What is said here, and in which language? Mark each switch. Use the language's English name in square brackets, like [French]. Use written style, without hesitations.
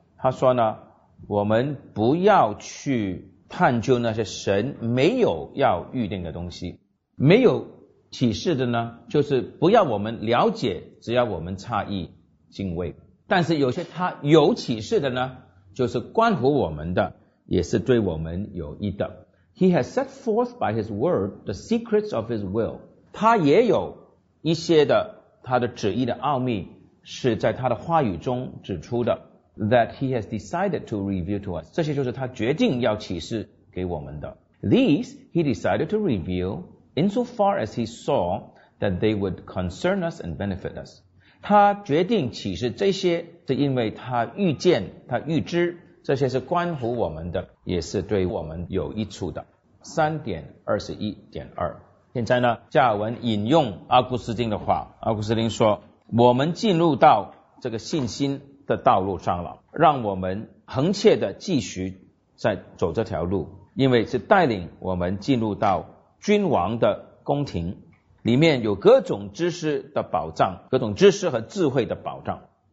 [Chinese] 他说呢，我们不要去探究那些神没有要预定的东西，没有启示的呢，就是不要我们了解，只要我们诧异敬畏。但是有些他有启示的呢，就是关乎我们的，也是对我们有益的。 [English] He has set forth by his word the secrets of his will， [Chinese] 他也有一些的他的旨意的奥秘是在他的话语中指出的。 [English] That he has decided to reveal to us， [Chinese] 这些就是他决定要启示给我们的。 [English] These he decided to revealinsofar as he saw that they would concern us and benefit us. [Chinese] 他决定启示这些，是因为他预见，他预知，这些是关乎我们的，也是对我们有益处的。 3.21.2 现在呢，加尔文引用阿古斯丁的话，阿古斯丁说，我们进入到这个信心的道路上了，让我们恒切地继续在走这条路，因为是带领我们进入到君王的宫廷，里面有各种知识的宝藏，各种知识和智慧的宝藏。